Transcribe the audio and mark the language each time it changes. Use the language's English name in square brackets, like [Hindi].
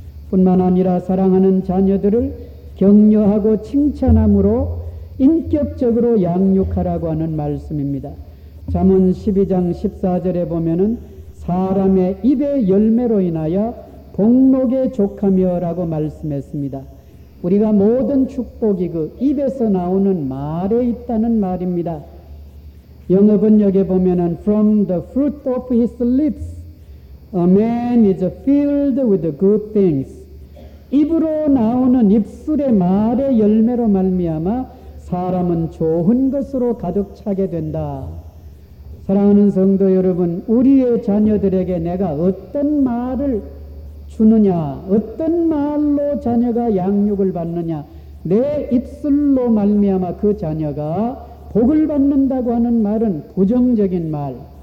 [Korean] 뿐만 아니라 사랑하는 자녀들을 격려하고 칭찬함으로 인격적으로 양육하라고 하는 말씀입니다. 잠언 12장 14절에 보면은 사람의 입의 열매로 인하여 복록에 족하며라고 말씀했습니다. 우리가 모든 축복이 그 입에서 나오는 말에 있다는 말입니다. 영어 번역에 보면은 [English] From the fruit of his lips, a man is filled with good things. [Korean] 입으로 나오는 입술의 말의 열매로 말미암아 사람은 좋은 것으로 가득 차게 된다. 사랑하는 성도 여러분, 우리의 자녀들에게 내가 어떤 말을 주느냐, 어떤 말로 자녀가 양육을 받느냐, 내 입술로 말미암아 그 자녀가 복을 받는다고 하는 말은 부정적인 말,